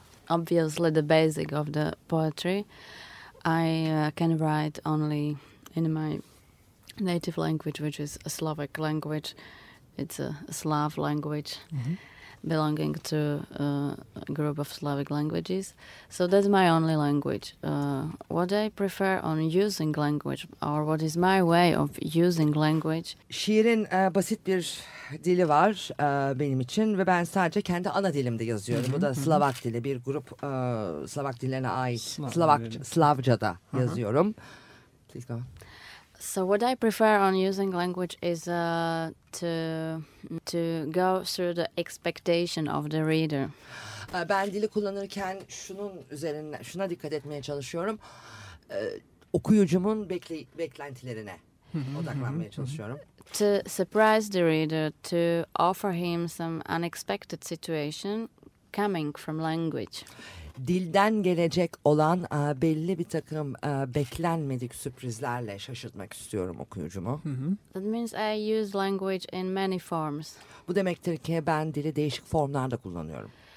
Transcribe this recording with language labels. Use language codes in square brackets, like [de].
[en] Obviously, the basic of the poetry, I can write only in my native language, which is a Slavic language. It's a Slav language, mm-hmm. belonging to a group of Slavic languages. So that's my only language. What I prefer on using language, or what is my way of using language? [tr] Şiirin basit bir dili var benim için ve ben sadece kendi ana dilimde yazıyorum. Bu da Slavak dili, bir grup Slavak dillerine ait Slavca'da yazıyorum. [en] Please go. So what I prefer on using language is to go through the expectation of the reader. [tr] Ben dili kullanırken şuna dikkat etmeye çalışıyorum. Okuyucumun beklentilerine odaklanmaya çalışıyorum. [en] To surprise the reader, to offer him some unexpected situation coming from language. [tr] Dilden gelecek olan belli bir takım beklenmedik sürprizlerle şaşırtmak istiyorum okuyucumu. Mm-hmm. [en] That means I use language in many forms. [tr] Bu demektir ki ben dili değişik formlarda kullanıyorum.